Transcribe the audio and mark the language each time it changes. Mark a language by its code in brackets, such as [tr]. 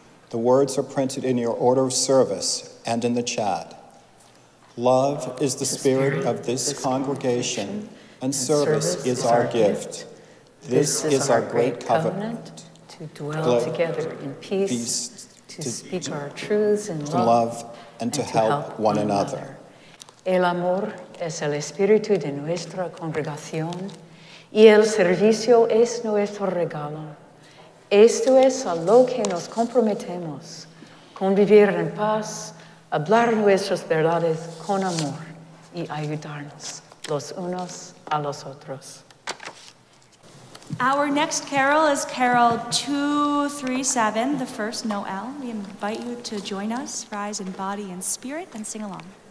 [en] The words are printed in your order of service and in the chat. Love is the spirit of this congregation, and service is our gift. This is our great covenant, to dwell together in peace, to speak our truths in love, and to help one another. [es] El amor es el espíritu de nuestra congregación, y el servicio es nuestro regalo. Esto es a lo que nos comprometemos, convivir en paz, hablar nuestras verdades con amor y ayudarnos los unos a los otros. [en] Our next carol is carol 237, the first Noel. We invite you to join us, rise in body and spirit, and sing along.